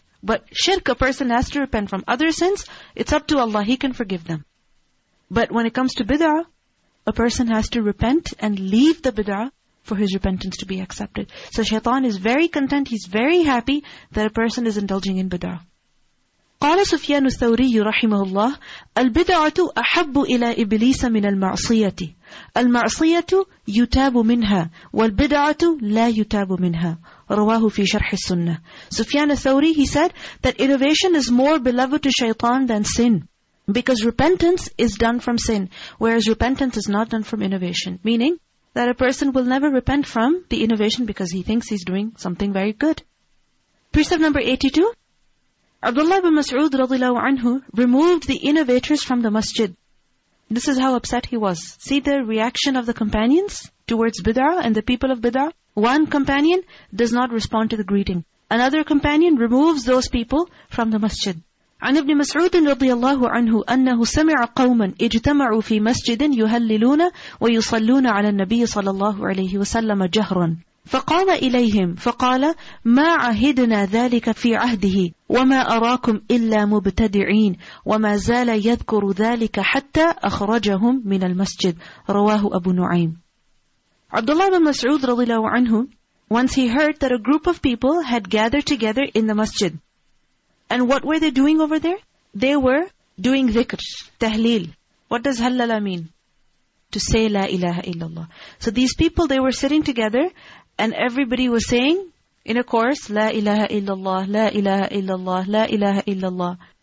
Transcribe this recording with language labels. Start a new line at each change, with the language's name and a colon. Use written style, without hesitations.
English: But shirk, a person has to repent from. Other sins, it's up to Allah. He can forgive them. But when it comes to bid'ah, a person has to repent and leave the bid'ah for his repentance to be accepted. So shaitan is very content. He's very happy that a person is indulging in bid'ah.
Arabic: قال سفيان الثوري رحمه الله البدعة أحب إلى إبليس من المعصية المعصية يتاب منها والبدعة لا يتاب منها رواه في شرح السنة.
English: سفيان الثوري, he said that innovation is more beloved to shaitan than sin, because repentance is done from sin, whereas repentance is not done from innovation. Meaning that a person will never repent from the innovation because he thinks he's doing something very good. Precept number 82, Abdullah ibn Mas'ud radiallahu anhu removed the innovators from the masjid. This is how upset he was. See the reaction of the companions towards bid'ah and the people of bid'ah. One companion does not respond to the greeting. Another companion removes those people from the masjid.
Arabic: An ibn Mas'ud radiallahu anhu annahu sami'a qawman ijtama'u fi masjidin yuhalliluna wa yusalluna ala nabiya sallallahu alayhi wa sallama jahran. فقال إليهم فقال ما عهدنا ذلك في عهده وما أراكم إلا مبتدعين وما زال يذكر ذلك حتى أخرجهم من المسجد رواه أبو نعيم.
English: Abdullah ibn Mas'ud
Arabic: رضي الله عنه,
English: once he heard that a group of people had gathered together in the masjid. And what were they doing over there? They were doing dhikr, tahleel. What does halala mean? To say la ilaha illallah. So these people, they were sitting together and everybody was saying in a chorus, la ilaha illallah, la ilaha illallah, la ilaha illallah.